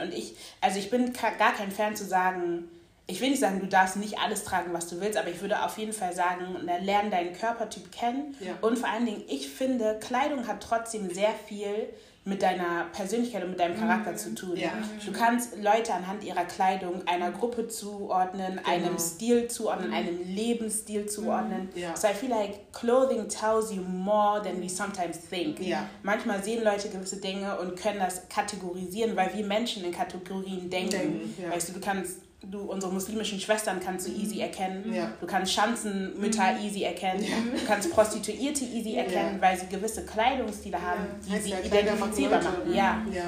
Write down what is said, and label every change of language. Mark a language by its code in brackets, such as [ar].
[de] Und ich bin gar kein Fan zu sagen, ich will nicht sagen, du darfst nicht alles tragen, was du willst, aber ich würde auf jeden Fall sagen, lern deinen Körpertyp kennen. Ja. Und vor allen Dingen, ich finde, Kleidung hat trotzdem sehr viel mit deiner Persönlichkeit und mit deinem Charakter zu tun. Ja. Du kannst Leute anhand ihrer Kleidung einer Gruppe zuordnen, einem Stil zuordnen, einem Lebensstil zuordnen. Ja. [en] So I feel like clothing tells you more than we sometimes think. [de] Ja. Manchmal sehen Leute gewisse Dinge und können das kategorisieren, weil wir Menschen in Kategorien denken. Ja. Weißt du, unsere muslimischen Schwestern kannst du easy erkennen. Ja. Du kannst Schanzenmütter easy erkennen. Ja. Du kannst Prostituierte easy erkennen, weil sie gewisse Kleidungsstile haben, die sie identifizierbar machen.